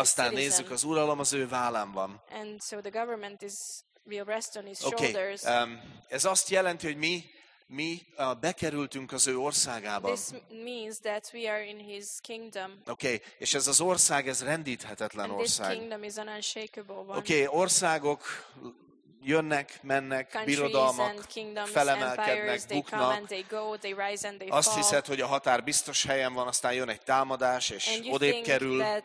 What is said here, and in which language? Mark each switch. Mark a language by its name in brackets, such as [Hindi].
[Hungarian] Aztán nézzük, az uralom az ő vállán van. [English] And so the government is will rest on his shoulders. [Hungarian] Ez azt jelenti, hogy mi bekerültünk az ő országába. [English] This means that we are in his kingdom. [Hungarian] Okay, és ez az ország, ez rendíthetetlen [English] and [Hungarian] ország. [English] This kingdom is an unshakable one. [Hungarian] Okay, országok jönnek, mennek, birodalmak felemelkednek, buknak. Azt hiszed, hogy a határ biztos helyen van, aztán jön egy támadás, és odébb kerül.